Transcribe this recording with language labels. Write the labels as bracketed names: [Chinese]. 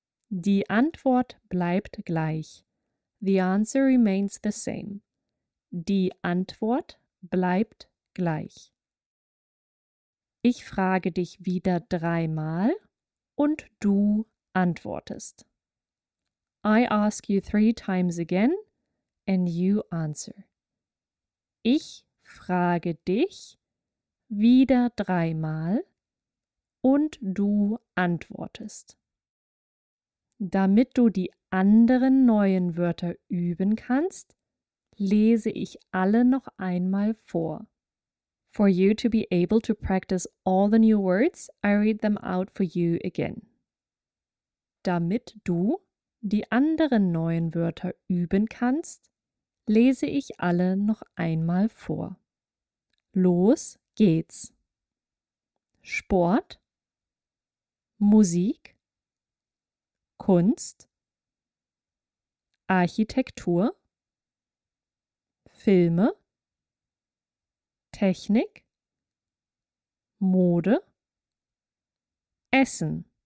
[German] Die Antwort bleibt gleich. [English] The answer remains the same. [German] Die Antwort bleibt gleich. Ich frage dich wieder dreimal und du antwortest. [English] I ask you three times again and you answer. [German] Ich frage dich wieder dreimal und du antwortest. Damit du die anderen neuen Wörter üben kannst, lese ich alle noch einmal vor. [English] For you to be able to practice all the new words, I read them out for you again. [German] Damit du die anderen neuen Wörter üben kannst, lese ich alle noch einmal vor. Los geht's. Sport, Musik, Kunst, Architektur, Filme, Technik, Mode, Essen.